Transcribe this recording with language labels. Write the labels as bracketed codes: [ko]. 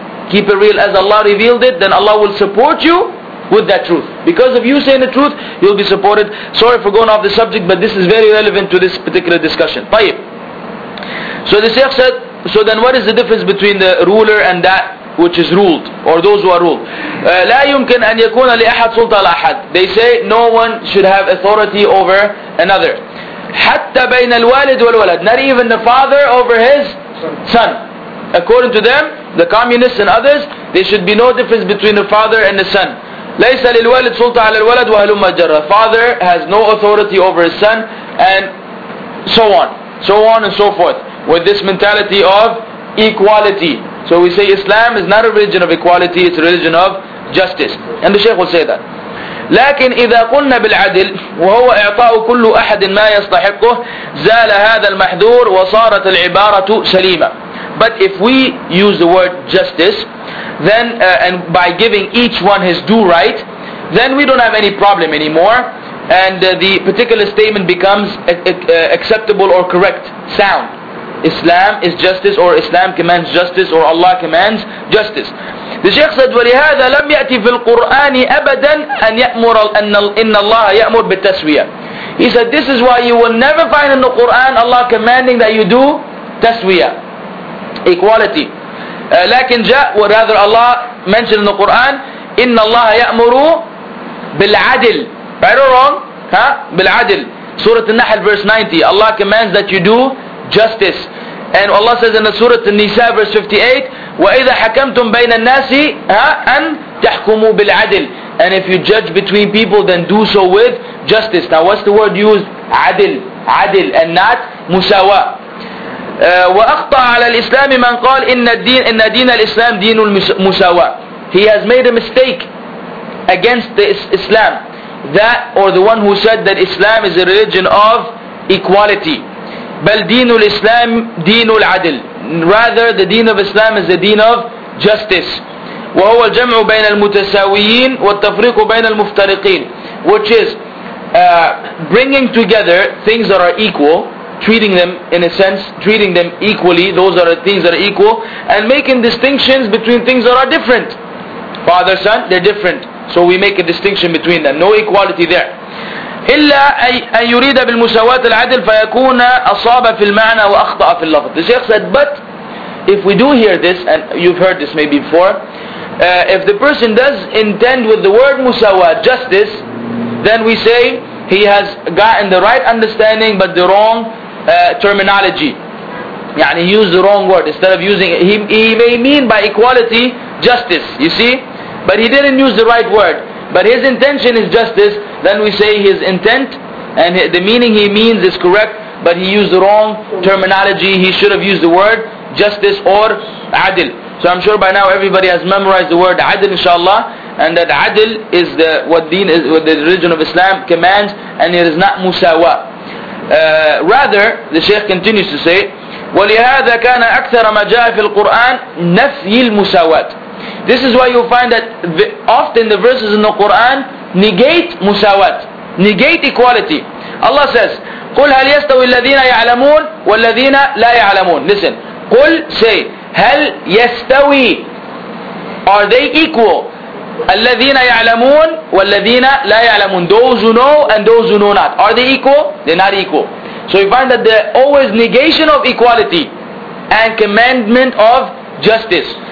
[en] keep it real as Allah revealed it, then Allah will support you with that truth. Because of you saying the truth, you'll be supported. Sorry for going off the subject, but this is very relevant to this particular discussion. [ar] طيب. [en] So the Shaykh said, so then what is the difference between the ruler and that which is ruled, or those who are ruled? [ar] لا يمكن أن يكون لأحد سلطة لأحد. [en] They say no one should have authority over another. [ar] حتى بين الوالد والولد. [en] Not even the father over his son. According to them, the communists and others, there should be no difference between the father and the son. [ar] ليس للوالد سلطة على الولد وهلما جرى. [en] Father has no authority over his son, and so on, so on and so forth. With this mentality of equality. So we say Islam is not a religion of equality, it's a religion of justice. And the Shaykh will say that. [ar] لكن إذا قلنا بالعدل وهو إعطاء كل أحد ما يستحقه زال هذا المحذور وصارت العبارة سليمة. [en] But if we use the word justice, then and by giving each one his due right, then we don't have any problem anymore, and the particular statement becomes acceptable or correct, sound. Islam is justice, or Islam commands justice, or Allah commands justice. The Shaykh said, [ar] ولهذا لم يأتي في القرآن أبدا أن يأمر أن الله يأمر بالتسوية. [en] He said, this is why you will never find in the Quran Allah commanding that you do تسوية, equality. [ar] لكن جاء, [en] or rather Allah mentioned in the Quran, [ar] إن الله يأمر بالعدل. [en] Right or wrong? Huh? بالعدل. Surah An-Nahl verse 90. Allah commands that you do justice. And Allah says in the Surah An-Nisa verse 58, [ar] وَإِذَا حَكَمْتُمْ بَيْنَ النَّاسِ أَنْ تَحْكُمُوا بِالْعَدِلِ. [en] And if you judge between people, then do so with justice. Now what's the word used? عَدِل. عَدِل. And not مساواة. [ar] وَأَخْطَأَ عَلَى الْإِسْلَامِ مَنْ قَالَ إِنَّ الدِّينَ إِنَّ دِينَ الْإِسْلَامِ دِينُ الْمُسَاوَةِ. [en] He has made a mistake against the Islam. That, or the one who said that Islam is a religion of equality. [ar] بل دين الإسلام دين العدل. [en] Rather, the deen of Islam is the deen of justice. [ar] وهو الجمع بين المتساويين والتفريق بين المفترقين. [en] Which is bringing together things that are equal, treating them in a sense, treating them equally, those are things that are equal, and making distinctions between things that are different. Father, son, they're different. So we make a distinction between them. No equality there. [ar] إلا أن يريد بالمساواة العدل فيكون أصاب في المعنى وأخطأ في اللفظ. [en] The Shaykh said, but if we do hear this, and you've heard this maybe before, if the person does intend with the word مساواة, justice, then we say he has gotten the right understanding but the wrong terminology. يعني he used the wrong word. Instead of using it, he may mean by equality justice, you see, but he didn't use the right word. But his intention is justice, then we say his intent and the meaning he means is correct, but he used the wrong terminology. He should have used the word justice or adil. So I'm sure by now everybody has memorized the word adil, inshallah, and that adil is the what deen is, what the religion of Islam commands, and it is not musawa. Rather, the Shaykh continues to say, [ar] ولهذا كان أكثر ما جاء في القرآن نفي المساواة. [en] This is why you find that often the verses in the Quran negate musawat, negate equality. Allah says, [ar] قُلْ هَلْ يَسْتَوِي الَّذِينَ يَعْلَمُونَ وَالَّذِينَ لَا يَعْلَمُونَ. [en] Listen, قُلْ, say, [ar] هَلْ يَسْتَوِي, [en] are they equal? [ar] الَّذِينَ يَعْلَمُونَ وَالَّذِينَ لَا يَعْلَمُونَ. [en] Those who know and those who know not, are they equal? They're not equal. So you find that the always negation of equality and commandment of justice.